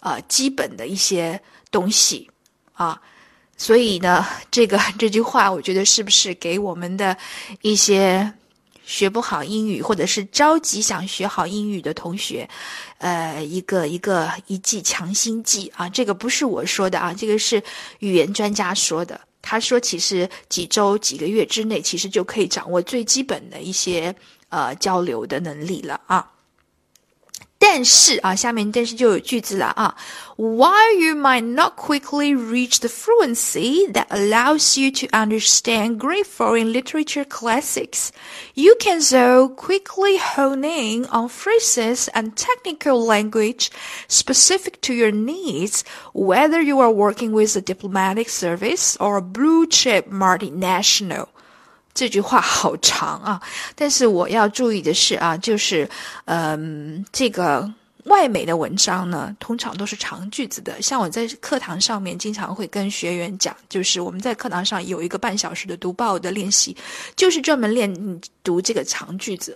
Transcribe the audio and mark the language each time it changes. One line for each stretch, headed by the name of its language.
Chinese: 基本的一些东西啊，所以呢，这句话我觉得是不是给我们的一些学不好英语或者是着急想学好英语的同学，一剂强心剂啊，这个不是我说的啊，这个是语言专家说的。他说，其实几周、几个月之内，其实就可以掌握最基本的一些交流的能力了啊。但是啊，下面但是就有句子了啊，
English: Why you might not quickly reach the fluency that allows you to understand great foreign literature classics, you can though quickly hone in on phrases and technical language specific to your needs, whether you are working with a diplomatic service or a blue chip multinational。
Chinese: 这句话好长啊，但是我要注意的是啊，就是，这个外美的文章呢，通常都是长句子的。像我在课堂上面经常会跟学员讲，就是我们在课堂上有一个半小时的读报的练习，就是专门练读这个长句子。